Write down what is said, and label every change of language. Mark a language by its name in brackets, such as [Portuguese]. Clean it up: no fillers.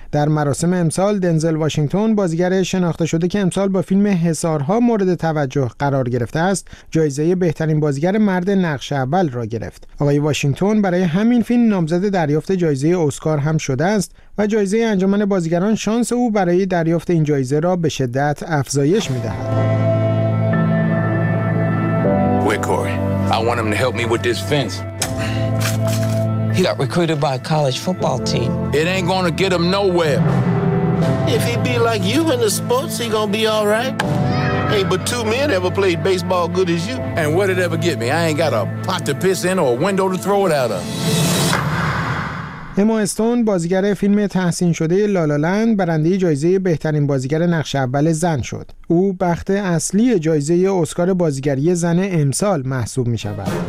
[Persian] در مراسم امسال دنزل واشنگتن بازیگر شناخته شده که امسال با فیلم حصارها مورد توجه قرار گرفته است، جایزه بهترین بازیگر مرد نقش اول را گرفت. آقای واشنگتن برای همین فیلم نامزد دریافت جایزه اسکار هم شده است و جایزه انجمن بازیگران شانس او برای دریافت این جایزه را به شدت افزایش می‌دهد. [English] I want him to help me with this fence. He got recruited by a college football team. It ain't gonna get him nowhere. If he be like you in the sports, he gonna be all right. Ain't but two men ever played baseball good as you. And what'd it ever get me? I ain't got a pot to piss in or a window to throw it out of. [Persian] اما استون بازیگر فیلم تحسین شده لالالند برنده جایزه بهترین بازیگر نقش اول زن شد. او بخت اصلی جایزه اسکار بازیگری زن امسال محسوب می شود.